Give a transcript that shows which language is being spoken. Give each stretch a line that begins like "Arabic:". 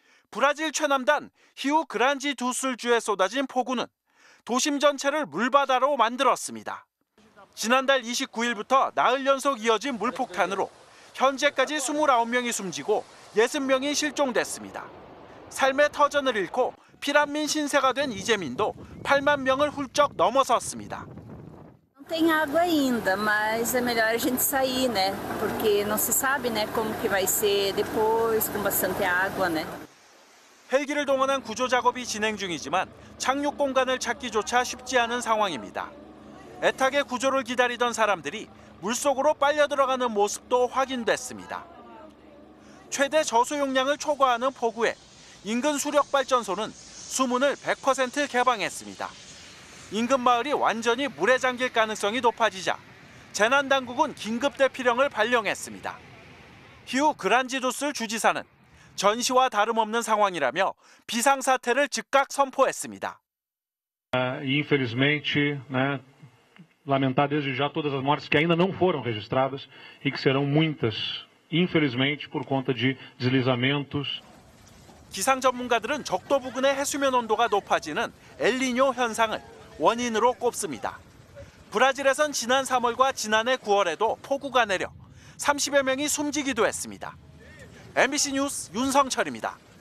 Korean: 브라질 최남단 히우 그란지 두술주에 쏟아진 폭우는 도심 전체를 물바다로 만들었습니다. 지난달 29일부터 나흘 연속 이어진 물폭탄으로 현재까지 29명이 숨지고 60명이 실종됐습니다. 삶의 터전을 잃고 피난민 신세가 된 이재민도 8만 명을 훌쩍 넘어섰습니다.
Portuguese: Não tem água ainda, mas é melhor a gente sair, né? Porque não se sabe, né, como que vai ser depois com bastante água, né?
Korean: 헬기를 동원한 구조 작업이 진행 중이지만 착륙 공간을 찾기조차 쉽지 않은 상황입니다. 애타게 구조를 기다리던 사람들이 물속으로 빨려들어가는 모습도 확인됐습니다. 최대 저수 용량을 초과하는 폭우에 인근 수력발전소는 수문을 100% 개방했습니다. 인근 마을이 완전히 물에 잠길 가능성이 높아지자 재난당국은 긴급대피령을 발령했습니다. 휴 그란지도스 주지사는 전시와 다름없는 상황이라며 비상사태를 즉각 선포했습니다.
Portuguese: Infelizmente, né, lamentar desde já todas as mortes que ainda não foram registradas e que serão muitas, infelizmente, por conta de deslizamentos.
Korean: 기상 전문가들은 적도 부근의 해수면 온도가 높아지는 엘니뇨 현상을 원인으로 꼽습니다. 브라질에선 지난 3월과 지난해 9월에도 폭우가 내려 30여 명이 숨지기도 했습니다. MBC 뉴스 윤성철입니다.